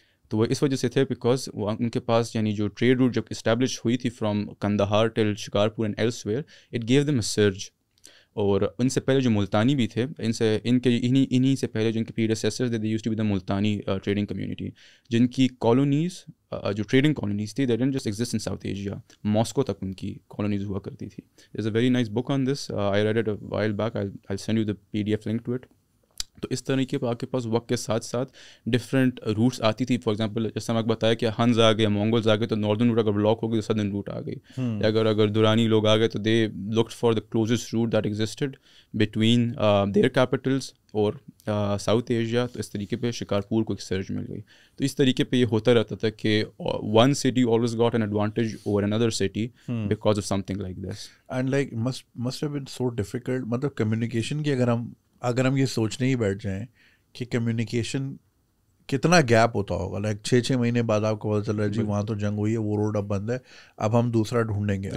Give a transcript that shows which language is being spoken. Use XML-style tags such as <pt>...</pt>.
<ur>تو وہ اس وجہ سے تھے بیکاز ان کے پاس یعنی جو ٹریڈ روٹ جب اسٹیبلش ہوئی تھی</ur> <en>From Kandahar till Shikarpur and elsewhere it gave them a surge.</en> <ur>اور ان سے پہلے جو ملتانی بھی تھے انہیں سے پہلے جو ان کے پریڈیسیسرز تھے</ur> <en>they used to be the Multani trading community,</en> <ur>جن کی کالونیز جو ٹریڈنگ کالونیز تھی</ur> <en>they didn't just exist in South Asia,</en> <ur>Moscow تک ان کی کالونیز ہوا کرتی تھی.</ur> <en>There is a very nice book on this, I read it a while back, I sent you the P D F link to it.</en> <ur>تو اس طریقے پہ آپ کے پاس وقت کے ساتھ ساتھ ڈفرینٹ روٹس آتی تھی.</ur> <en>for example</en> <ur>جیسے ہم نے بتایا کہ ہنز آ گئے, مونگولز آ گئے, تو ناردرن روٹ اگر بلاک ہو گئی تو سدرن روٹ آ گئی. اگر دورانی لوگ آ گئے تو</ur> <en>They looked for the closest route that existed between their capitals اور South Asia.</en> <ur>تو اس طریقے پہ شکارپور کو ایک سرج مل گئی. تو اس طریقے پہ یہ ہوتا رہتا تھا کہ</ur> <en>One city always got an advantage over another city because of some thing like this. And like must have been so difficult,</en> <ur>مطلب کمیونیکیشن کی اگر ہم یہ سوچنے ہی بیٹھ جائیں کہ کمیونیکیشن کتنا گیپ ہوتا ہوگا, لائک چھ چھ مہینے بعد آپ کو پتہ چل رہا ہے جی وہاں تو جنگ ہوئی ہے, وہ روڈ اب بند ہے, اب ہم دوسرا ڈھونڈیں گے.</ur>